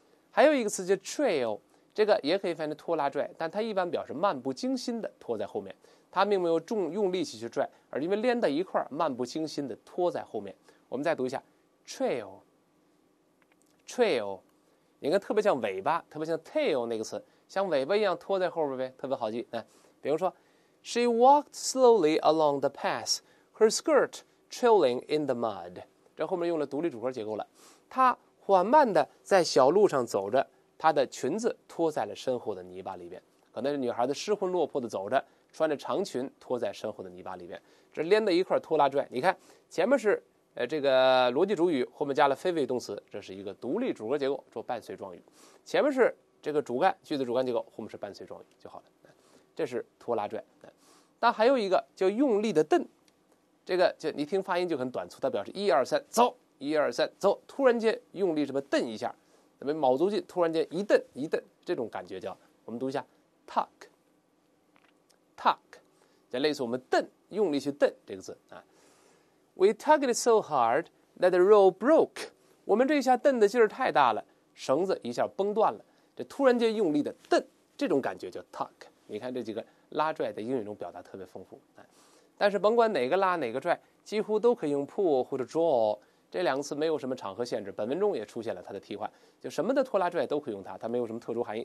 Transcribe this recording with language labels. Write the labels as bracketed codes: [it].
[zh] 还有一个词叫 trail， 这个也可以翻译成拖拉拽，但它一般表示漫不经心的拖在后面。它并没有重用力气去拽，而因为连在一块儿，漫不经心的拖在后面。我们再读一下 trail， trail。你看，特别像尾巴，特别像 tail 那个词，像尾巴一样拖在后边呗，特别好记。比如说 [en] ，She walked slowly along the path, her skirt trailing in the mud。 [zh] 这后面用了独立组合结构了。她缓慢的在小路上走着，她的裙子拖在了身后的泥巴里边。可能是女孩子失魂落魄的走着，穿着长裙拖在身后的泥巴里边，这连在一块拖拉拽。你看，前面是。这个逻辑主语后面加了非谓动词，这是一个独立主格结构，做伴随状语。前面是这个主干，句子主干结构，后面是伴随状语就好了。这是拖拉拽。但还有一个叫用力的蹬，这个就你听发音就很短促，它表示一二三走，一二三走，突然间用力什么蹬一下，怎么卯足劲，突然间一蹬一蹬，这种感觉叫，我们读一下 tuck tuck， 就类似我们蹬，用力去蹬这个字啊。 [en] We tugged so hard that the rope broke. [zh] 我们这一下蹬的劲儿太大了，绳子一下崩断了。这突然间用力的蹬，这种感觉叫 tug。你看这几个拉拽的英语中表达特别丰富。但是甭管哪个拉哪个拽，几乎都可以用 pull 或者 draw 这两个词，没有什么场合限制。本文中也出现了它的替换，就什么的拖拉拽都可以用它，它没有什么特殊含义。